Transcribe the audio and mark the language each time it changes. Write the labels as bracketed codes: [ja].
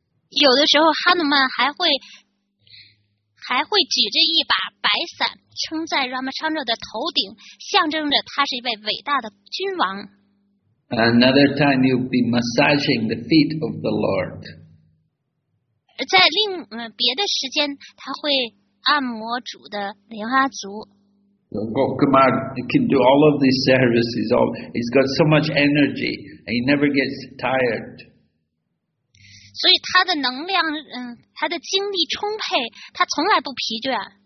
[zh] 有的时候汉努曼还会举着一把白伞撑在 Ramachandra 的头顶，象征着他是一位伟大的君王。 [en] Another time you'll be massaging the feet of the Lord. [zh] 在另别的时间，他会按摩主的莲花足。 [en] Gokumar can do all of these services. He's got so much energy, and he never gets tired. [zh] 所以他的能量，他的精力充沛，他从来不疲倦。